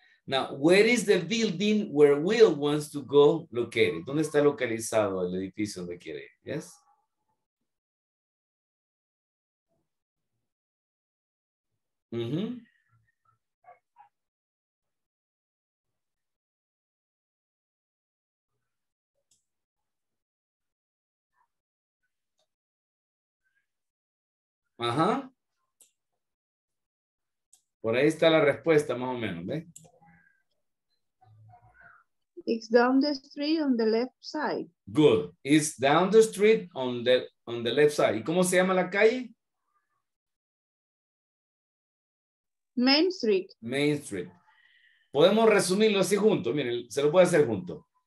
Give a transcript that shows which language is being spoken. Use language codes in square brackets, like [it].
[en] Now, where is the building where Will wants to go located? [es] ¿Dónde está localizado el edificio donde quiere ir? Yes. Mm-hmm. Ajá. Por ahí está la respuesta, más o menos, ¿ve? [en] It's down the street on the left side. Good. It's down the street on the left side. [es] ¿Y cómo se llama la calle? [en] Main Street. [es] Main Street. Podemos resumirlo así juntos. Miren, se lo puede hacer junto.